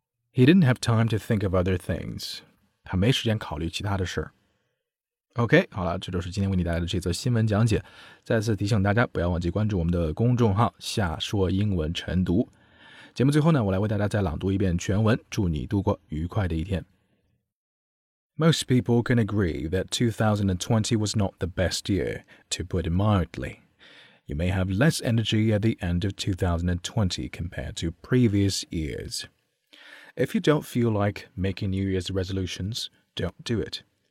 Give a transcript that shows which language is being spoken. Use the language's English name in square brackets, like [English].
[English] He didn't have time to think of other things. [Chinese] 他没时间考虑其他的事。OK, 好了这就是今天为你带来的这则新闻讲解。再次提醒大家不要忘记关注我们的公众号下说英文晨读。节目最后呢我来为大家再朗读一遍全文祝你度过愉快的一天。 [English] Most people can agree that 2020 was not the best year, to put it mildly. You may have less energy at the end of 2020 compared to previous years. If you don't feel like making New Year's resolutions, don't do it.